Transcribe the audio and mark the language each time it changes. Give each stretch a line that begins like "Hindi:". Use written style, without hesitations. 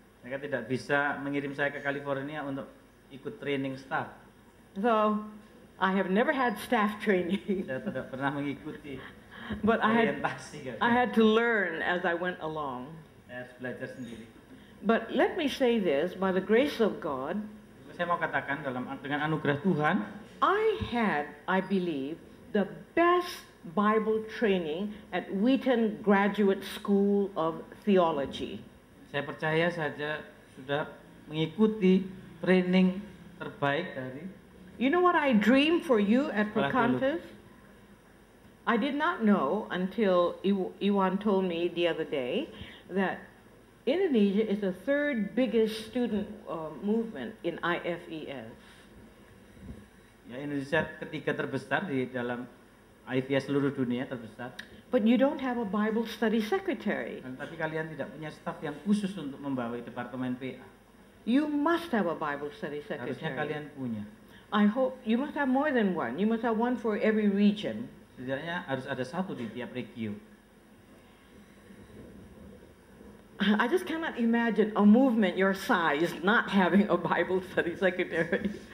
Indonesian: Mereka tidak bisa mengirim saya ke California untuk ikut training staff.
English: So, I have never had staff training.
Indonesian: Saya tidak pernah mengikuti.
English: But I had to learn as I went along.
Indonesian: Saya harus belajar sendiri.
English: But let me say this, by the grace of God.
Indonesian: Saya mau katakan dengan anugerah Tuhan.
English: I believe, the best Bible training at Wheaton Graduate School of Theology.
Indonesian: Saya percaya saja sudah mengikuti training terbaik dari.
English: You know what I dream for you at Perkantas? I did not know until Iwan told me the other day that Indonesia is the third biggest student movement in IFES.
Indonesian: Ya, Indonesia ketiga terbesar di dalam IFES seluruh dunia terbesar.
English: But you don't have a Bible study secretary.
Indonesian: Tapi kalian tidak punya staff yang khusus untuk membawa departemen PA.
English: You must have a Bible study secretary.
Indonesian: Harusnya kalian punya.
English: I hope you must have more than one. You must have one for every region.
Indonesian: Setidaknya harus ada satu di tiap region.
English: I just cannot imagine a movement your size not having a Bible study secretary.